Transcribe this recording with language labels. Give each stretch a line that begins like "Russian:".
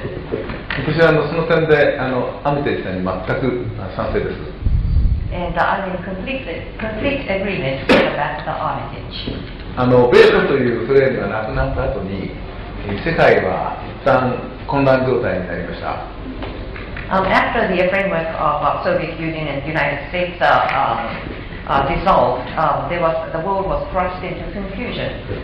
English: And I'm in complete agreement about the Armitage.
Japanese: 米ソというソ連がなくなった後に世界は一旦混乱状態になりました。
English: After the framework of Soviet Union and United States dissolved, the world was crushed into confusion.